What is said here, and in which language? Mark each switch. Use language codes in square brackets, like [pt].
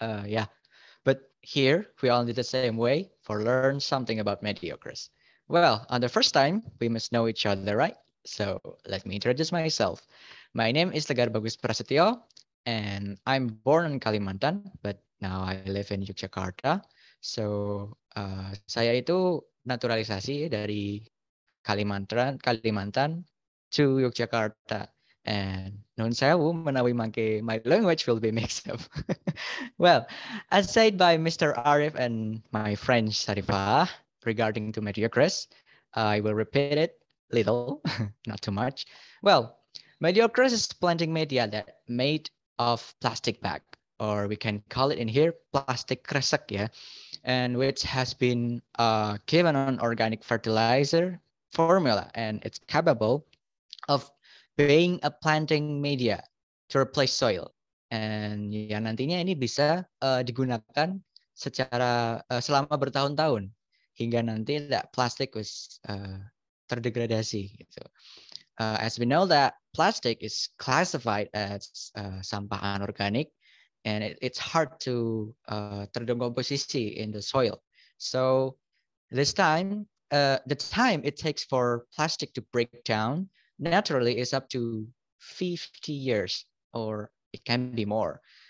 [en] Yeah, but here we all need the same way for learn something about Mediokres. Well, on the first time, we must know each other, right? So let me introduce myself. My name is Tegar Bagus Prasetyo, and I'm born in Kalimantan, but now I live in Yogyakarta. [id] So saya itu naturalisasi dari Kalimantan to Yogyakarta. [en] And [jv] nun sewu menawi mangke [en] my language will be mixed up. Well, as said by Mr. Arif and my friend Syarifah regarding to Mediokres, I will repeat it little, not too much. Well, Mediokres is planting media that made of plastic bag, or we can call it in here plastic kresek, yeah, and which has been given an organic fertilizer formula, and it's capable of being a planting media to replace soil. [id] And ya nantinya ini bisa digunakan secara selama bertahun-tahun hingga nanti [en] that plastic was [id] terdegradasi gitu. [en] As we know that plastic is classified as [id] sampah anorganik, [en] and it's hard to terdekomposisi in the soil. So this time, the time it takes for plastic to break down naturally is up to 50 years, or it can be more.